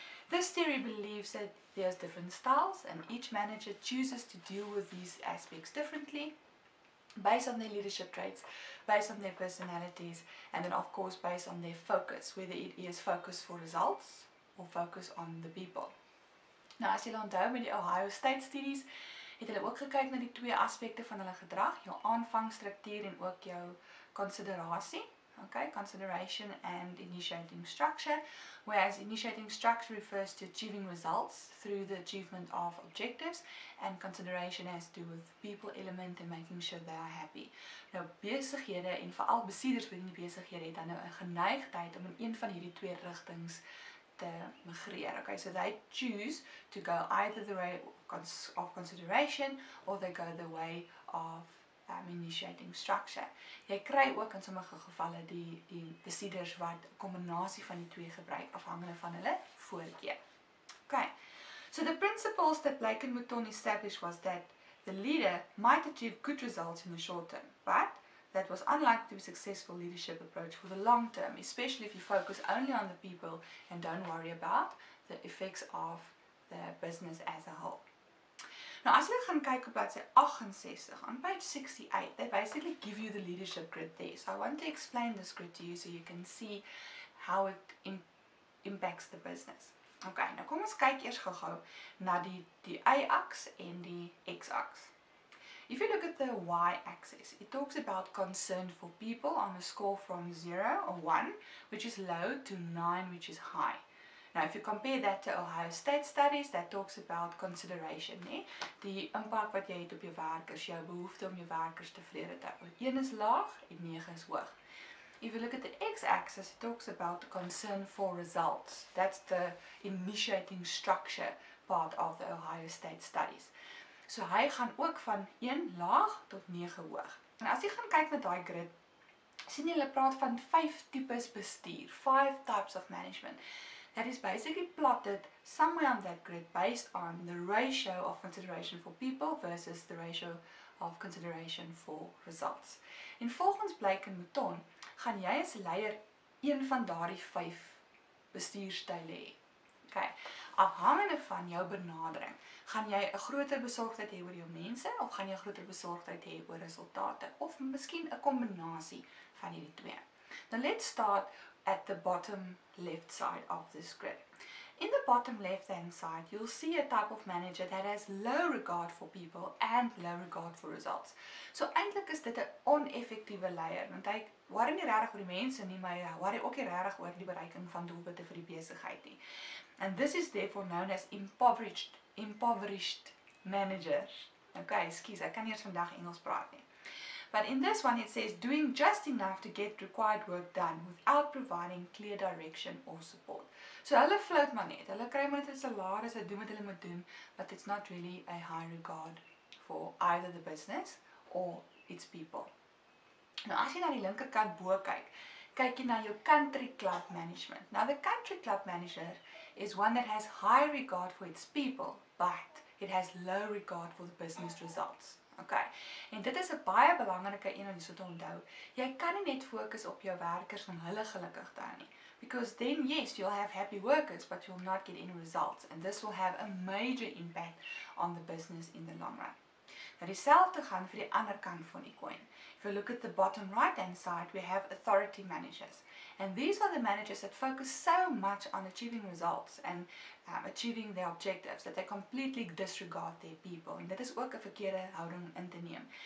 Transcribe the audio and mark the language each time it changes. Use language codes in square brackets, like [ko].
[en] This theory believes that there's different styles and each manager chooses to deal with these aspects differently based on their leadership traits, based on their personalities, and then of course based on their focus, whether it is focus for results or focus on the people. [af] Nou as jy onthou met die Ohio State studies, het hulle ook gekyk na die twee aspekte van hulle gedrag, jou aanvangstruktuur en ook jou konsiderasie. [en] Okay, consideration and initiating structure, whereas initiating structure refers to achieving results through the achievement of objectives, and consideration has to do with people element and making sure they are happy. [af] Nou, besighede en veral besieders binne die besighede het dan nou 'n geneigtheid om in een van hierdie twee rigtings te migreer. [en] Okay, so they choose to go either the way of consideration or they go the way of initiating structure. [af] Jy kry ook in sommige gevalle die besieders wat 'n kombinasie van die twee gebruik afhangende van hulle voorkeur. [en] Okay. So the principles that Blake and Mouton established was that the leader might achieve good results in the short term, but that was unlikely to be a successful leadership approach for the long term, especially if you focus only on the people and don't worry about the effects of the business as a whole. [af] Nou as jy gaan kyk op bladsy 68, [en] on page 68, they basically give you the leadership grid there. So I want to explain this grid to you so you can see how it impacts the business. [af] Okay, nou kom ons kyk eers gou-gou na die y-aks en die x-aks. [en] If you look at the y-axis, it talks about concern for people on a score from 0 or 1, which is low, to 9, which is high. Now, if you compare that to Ohio State studies, that talks about consideration, nee? [af] Die impak wat jy het op jou werkers, jou behoefte om jou werkers tevrede te hou. 1 is laag en 9 is hoog. [en] If you look at the x-axis, it talks about the concern for results. That's the initiating structure part of the Ohio State studies. [af] So hy gaan ook van 1 laag tot 9 hoog. En as jy gaan kyk met daai grid, sien jy hulle praat van 5 types bestuur, [en] 5 types of management. That is basically plotted somewhere on that grid based on the ratio of consideration for people versus the ratio of consideration for results. [af] En volgens Blake en Mouton, gaan jy as leier een van daardie 5 bestuurstyle hê. Okay. Afhangende van jou benadering, gaan jy 'n groter besorgdheid hê oor jou mense of gaan jy 'n groter besorgdheid hê oor resultate of miskien 'n kombinasie van hierdie twee. [en] Now let's start at the bottom left side of this grid. In the bottom left hand side, you'll see a type of manager that has low regard for people and low regard for results. [af] So eintlik is dit 'n oneffektiewe leier, want hy worry nie regtig oor die mense nie, maar hy worry ook nie regtig oor die bereiking van doelwitte vir die besigheid nie. [en] And this is therefore known as impoverished managers. Okay, [af] skus, ek kan nie eers vandag Engels praat nie. [en] But in this one, it says doing just enough to get required work done without providing clear direction or support. [af] So hulle float maar net. Hulle kry maar net 'n salaris, hulle doen wat hulle moet doen, [en] but it's not really a high regard for either the business or its people. [af] Nou as jy na die linkerkant bo kyk, kyk jy na jou country club management. [en] Now the country club manager is one that has high regard for its people, but it has low regard for the business results. Okay. [af] En dit is 'n baie belangrike een om te onthou. Jy kan nie net fokus op jou werkers en hulle gelukkig daar nie. [en] Because then yes, you'll have happy workers, but you'll not get any results and this will have a major impact on the business in the long run. [af] Nou dieselfde gaan vir die ander kant van die coin. [en] If you look at the bottom right hand side, we have authority managers. And these are the managers that focus so much on achieving results and achieving their objectives that they completely disregard their people. [af] En dit is ook 'n verkeerde houding in te neem.